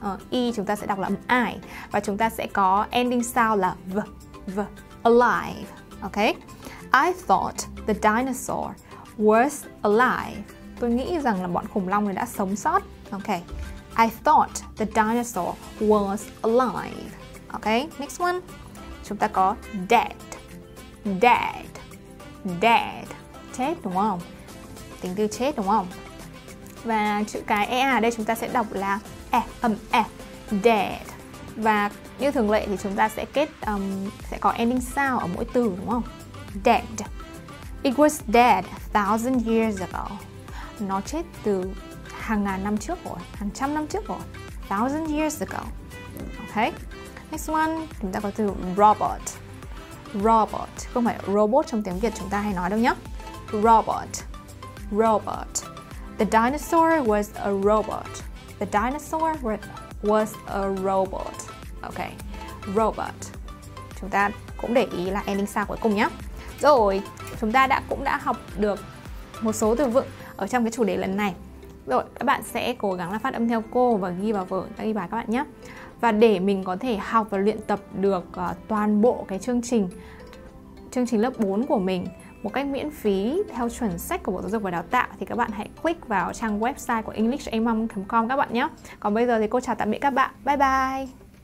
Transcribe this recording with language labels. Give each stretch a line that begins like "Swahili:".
Vietnamese: E chúng ta sẽ đọc là âm I. Và chúng ta sẽ có ending sound là v.
English: V. Alive. Ok. I thought the dinosaur was alive.
Vietnamese: Tôi nghĩ rằng là bọn khủng long này đã sống sót. Ok.
English: I thought the dinosaur was alive. Ok, next one.
Vietnamese: Chúng ta có dead. Dead. Dead. Chết đúng không? Tính từ chết đúng không? Và chữ cái ea ở đây chúng ta sẽ đọc là e, âm e. Dead. Và như thường lệ thì chúng ta sẽ kết sẽ có ending sound ở mỗi từ đúng không? Dead.
English: It was dead 1,000 years ago.
Vietnamese: Nó chết từ hàng ngàn năm trước rồi, hàng trăm năm trước rồi.
English: 1,000 years ago.
Vietnamese: Ok.
English: Next one,
Vietnamese: chúng ta có từ robot. Robot, không phải robot trong tiếng Việt chúng ta hay nói đâu nhé.
English: Robot. Robot. The dinosaur was a robot. The dinosaur was a robot. Ok, robot.
Vietnamese: Chúng ta cũng để ý là ending sao cuối cùng nhé. Rồi, chúng ta cũng đã học được một số từ vựng ở trong cái chủ đề lần này. Rồi, các bạn sẽ cố gắng là phát âm theo cô và ghi vào vở, ghi bài các bạn nhé. Và để mình có thể học và luyện tập được toàn bộ cái chương trình lớp 4 của mình một cách miễn phí theo chuẩn sách của Bộ Giáo dục và Đào tạo thì các bạn hãy click vào trang website của englishamom.com các bạn nhé. Còn bây giờ thì cô chào tạm biệt các bạn.
English: Bye bye!